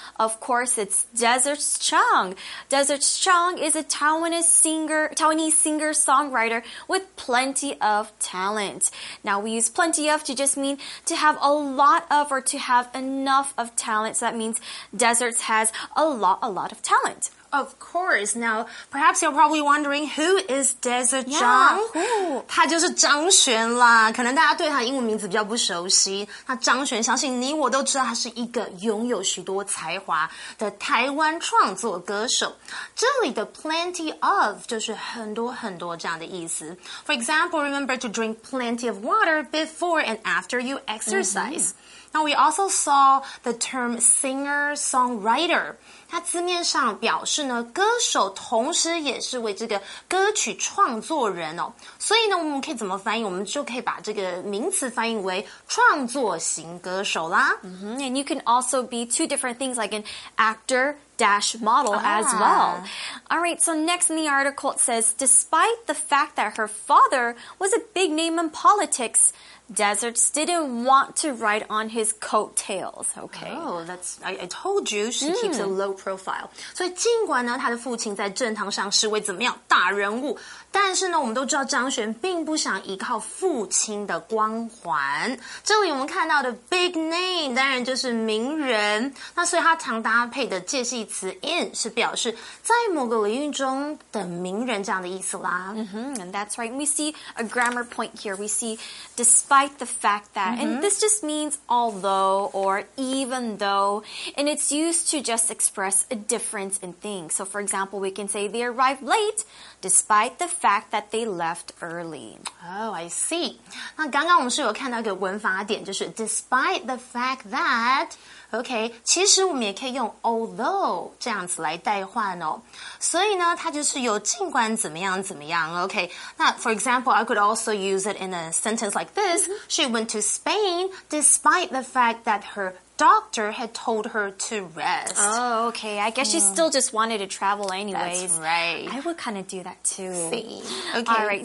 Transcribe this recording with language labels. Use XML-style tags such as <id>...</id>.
<en>Of course, it's Desert Chang. Desert Chang is a Taiwanese singer-songwriter with plenty of talent. Now, we use plenty of to just mean to have a lot of or to have enough of talent. So that means Desert has a lot of talent. Of course. Now, perhaps you're probably wondering, who is Desert Zhang? Yeah,</en> <zh>他就是张悬啦。可能大家对他英文名字比较不熟悉。那张悬相信你我都知道他是一个拥有许多才华的台湾创作歌手。这里的 plenty of 就是很多很多这样的意思。</zh> <en>For example, remember to drink plenty of water before and after you exercise.、Mm-hmm. Now, we also saw the term singer-songwriter.</en> <zh>它字面上表示呢，歌手同时也是为这个歌曲创作人哦。所以呢，我们可以怎么翻译？我们就可以把这个名词翻译为创作型歌手啦。 Mm-hmm.</zh> <en>And you can also be two different things like an actor dash model as well. All right, so next in the article, it says, despite the fact that her father was a big name in politics,Deserts didn't want to ride on his coattails, okay? Oh, that's... I told you she keeps a low profile.</en> <zh>所以尽管呢，他的父亲在政坛上是位怎么样大人物，但是呢，我们都知道张悬并不想依靠父亲的光环。这里我们看到的 big name 当然就是名人。那所以他常搭配的介系词 in 是表示在某个领域中的名人这样的意思啦。</zh> <en>Mm-hmm, and that's right. We see a grammar point here. We see despite the fact that,、mm-hmm. and this just means although or even though, and it's used to just express a difference in things. So for example, we can say they arrived late despite the fact that they left early. Oh, I see.</en> <zh>那刚刚我们是有看到一个文法点，就是 despite the fact that... OK, 其实我们也可以用 although 这样子来代换哦。所以呢它就是有尽管怎么样怎么样 ,OK。</zh> <en>那 for example, I could also use it in a sentence like this,、mm-hmm. She went to Spain despite the fact that herdoctor had told her to rest. Oh, okay. I guess she still just wanted to travel anyways. That's right. I would kind of do that too. See. Okay. All right.</en>